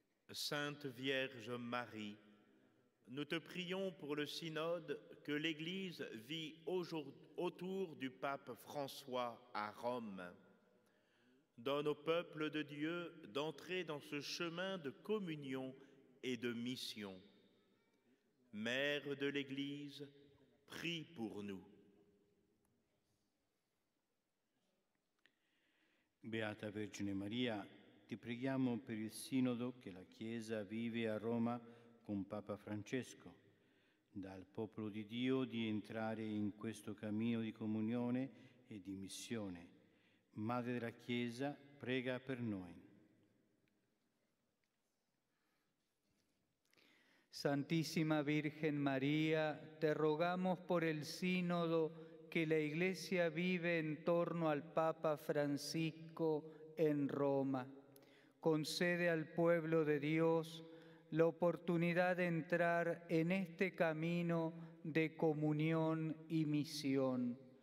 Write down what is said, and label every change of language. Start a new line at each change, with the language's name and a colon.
French: Sainte Vierge Marie, nous te prions pour le synode que l'Église vit autour du pape François à Rome. Donne au peuple de Dieu d'entrer dans ce chemin de communion et de mission. Mère de l'Église, prie pour nous.
Italian: Beata Vergine Maria, ti preghiamo per il sinodo che la Chiesa vive a Roma con Papa Francesco. Dal popolo di Dio di entrare in questo cammino di comunione e di missione. Madre della Chiesa, prega per noi.
Spanish: Santísima Virgen María, te rogamos por el sínodo que la Iglesia vive en torno al Papa Francisco en Roma. Concede al pueblo de Dios la oportunidad de entrar en este camino de comunión y misión.